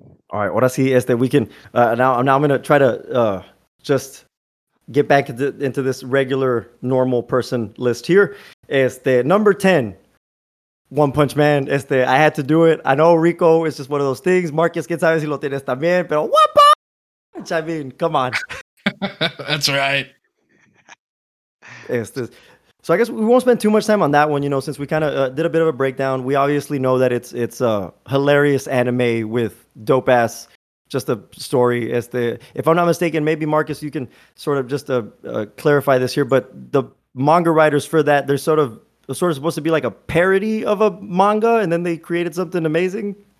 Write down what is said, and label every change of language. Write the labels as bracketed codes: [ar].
[en] All right, [es] ahora sí, [en] we can, now I'm going to try to just get back into this regular, normal person list here. Number 10, One Punch Man. I had to do it. I know Rico is just one of those things. [es] Marcus, quién sabe si lo tienes también, pero One Punch, [en] I mean, come on. That's right. So I guess we won't spend too much time on that one, since we kind of did a bit of a breakdown. We obviously know that it's a hilarious anime with dope-ass, just a story. If I'm not mistaken, maybe Marcus, you can sort of just clarify this here, but the manga writers for that, they're sort of supposed to be like a parody of a manga, and then they created something amazing.